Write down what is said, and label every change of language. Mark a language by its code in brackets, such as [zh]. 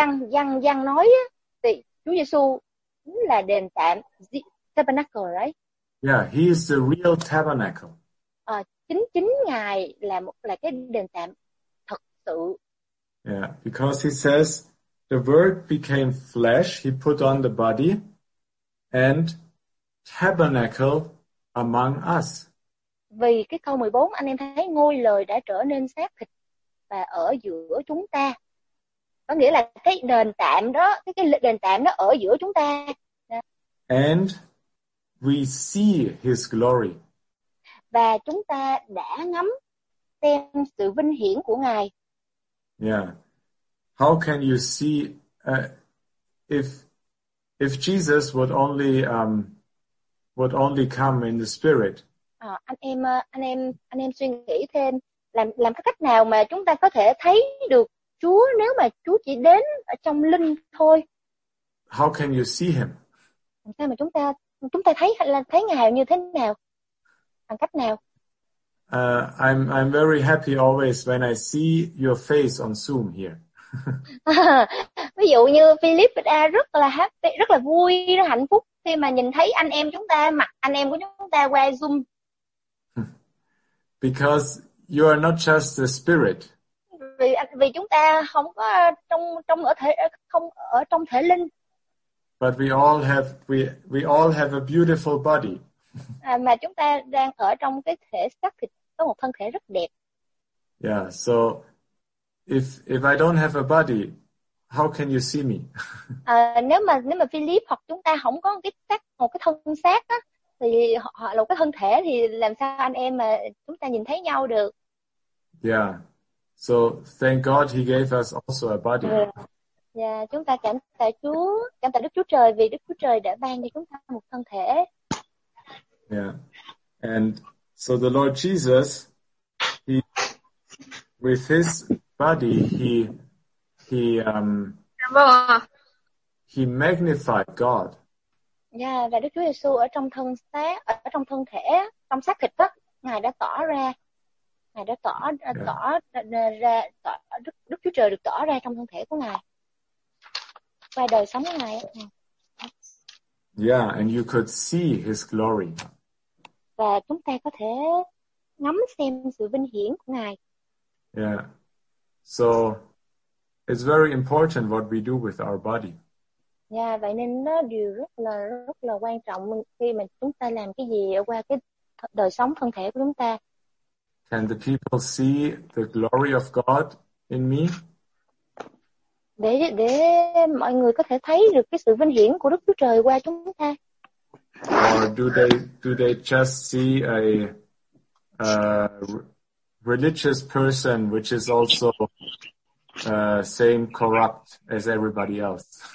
[vi] Giăng nói thì Chúa Giêsu là đền tạm, [en] tabernacle, right? Yeah, he is the real tabernacle. [vi] Chính Ngài là cái đền tạm thật sự. [en] Yeah, because he says the word became flesh, he put on the body and tabernacle among us. [vi] Vì cái câu 14 anh em thấy ngôi lời đã trở nên xác thịt và ở giữa chúng ta. Có nghĩa là cái đền tạm đó, cái đền tạm đó ở giữa chúng ta. [en] And we see his glory. [vi] Và chúng ta đã ngắm xem sự vinh hiển của Ngài. Yeah. [en] How can you see if Jesus would only would only come in the spirit. [vi] Anh em suy nghĩ thêm làm cái cách nào mà chúng ta có thể thấy được Chúa nếu mà Chúa chỉ đến ở trong linh thôi. [en] How can you see him? [vi] Làm sao mà chúng ta thấy Ngài như thế nào? Bằng cách nào? [en] I'm very happy always when I see your face on Zoom here. [vi] Ví dụ như Philip rất là happy, rất là vui, rất hạnh phúc khi mà nhìn thấy anh em chúng ta, mặt anh em của chúng ta qua Zoom. [en] Because you are not just the spirit. [vi] Vì chúng ta không có trong ở thể, không ở trong thể linh. [en] But we all have a beautiful body. [vi] Mà chúng ta đang ở trong cái thể xác thịt, có một thân thể rất đẹp. [en] Yeah, so if I don't have a body, how can you see me? [vi] nếu mà Philip hoặc chúng ta không có một cái thân xác á, thì họ là một cái thân thể, thì làm sao anh em mà chúng ta nhìn thấy nhau được? [en] Yeah, so thank God he gave us also a body. [vi] Yeah, chúng ta cảm tạ Chúa, cảm tạ Đức Chúa Trời vì Đức Chúa Trời đã ban cho chúng ta một thân thể. [en] Yeah, and so the Lord Jesus, he with his body, he magnified God. [vi] Yeah, và Đức Chúa Giêsu ở trong thân xác, ở trong thân thể, trong xác thịt đó, Ngài đã tỏ ra, Ngài đã tỏ yeah. tỏ ra tỏ, Đức Chúa Trời được tỏ ra trong thân thể của Ngài qua đời sống của Ngài. [en] Yeah, and you could see his glory. [vi] Và chúng ta có thể ngắm xem sự vinh hiển của Ngài. Yeah. [en] So it's very important what we do with our body. [vi] Yeah, vậy nên nó điều rất là quan trọng khi mà chúng ta làm cái gì ở qua cái đời sống thân thể của chúng ta. [en] Can the people see the glory of God in me? [vi] Để mọi người có thể thấy được cái sự vinh hiển của Đức Chúa Trời qua chúng ta. [en] Or do they just see a religious person which is also same corrupt as everybody else?